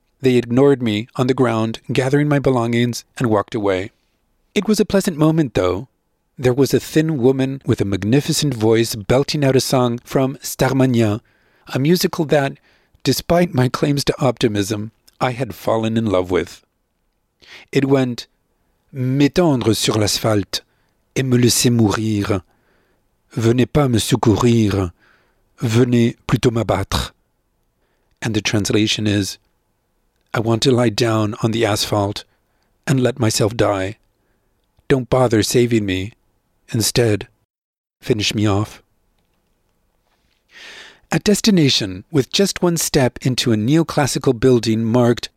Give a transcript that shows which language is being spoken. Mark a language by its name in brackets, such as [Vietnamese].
[English] They ignored me on the ground, gathering my belongings, and walked away. It was a pleasant moment, though. There was a thin woman with a magnificent voice belting out a song from Starmania, a musical that, despite my claims to optimism, I had fallen in love with. [French] It went, "M'étendre sur l'asphalte et me laisser mourir. Venez pas me secourir, venez plutôt m'abattre." [English] And the translation is, "I want to lie down on the asphalt and let myself die. Don't bother saving me. Instead, finish me off." At destination, with just one step into a neoclassical building marked